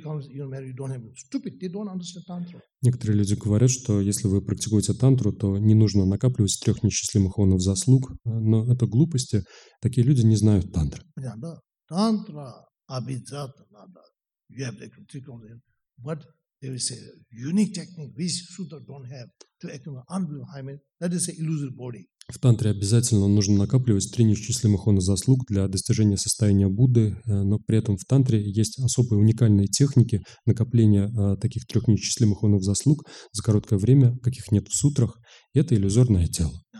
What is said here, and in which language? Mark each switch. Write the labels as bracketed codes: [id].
[ru] Некоторые люди говорят, что если вы практикуете тантру, то не нужно накапливать 3 неисчислимых ионов заслуг, но это глупости. Такие люди не знают тантры. Понятно, да? Тантра обязательно надо. [en] You have to accumulate. But there is a unique technique which sutra don't have to accumulate unbelievable hymen. That is an illusory body. [ru] В тантре обязательно нужно накапливать 3 неисчислимых иона заслуг для достижения состояния Будды, но при этом в тантре есть особые уникальные техники накопления таких 3 неисчислимых ионов заслуг за короткое время, каких нет в сутрах, и это иллюзорное тело.